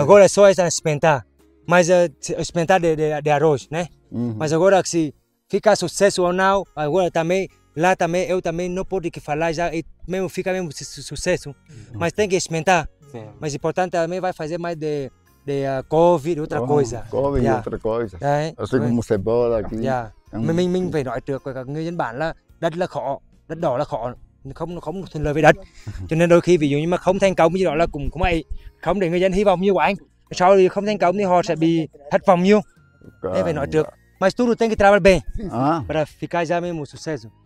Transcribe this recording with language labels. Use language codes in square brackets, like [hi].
[pt] Agora é só espentar. Mas espentar de arroz, né? Mas agora, se fica sucesso ou não, agora também, lá também, eu também não posso falar já, e mesmo fica mesmo sucesso. Mas tem que espentar. Mas o importante também vai fazer mais de couve, outra coisa. Couve e outra coisa. [en] Yeah. [pt] Assim como cebola aqui. [en] Yeah. [vi] Mình phải nói được với các người dân bản là đất là khó, đất đỏ là khó, không thuận lợi với đất. Cho nên đôi khi ví dụ như mà không thành công như đó là cũng vậy, không để người dân hy vọng như của anh. Sau đó không thành công thì họ sẽ bị thất vọng nhiều. Nên phải nói được. [pt] Mas tudo tem que trabalhar bem para ficar já mesmo sucesso.